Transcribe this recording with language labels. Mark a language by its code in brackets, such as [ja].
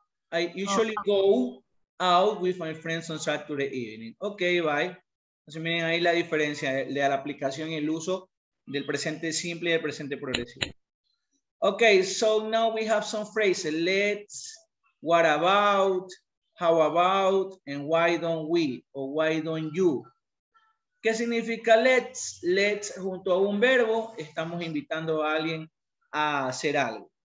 [en] I usually go out with my friends on Saturday evening. Okay, bye. [es] Entonces miren ahí la diferencia de la aplicación y el uso del presente simple y del presente progresivo. [en] Okay, so now we have some phrases. Let's, what about, how about, and why don't we, or why don't you. [es] ¿Qué significa let's? Let's junto a un verbo, estamos invitando a alguien a hacer algo.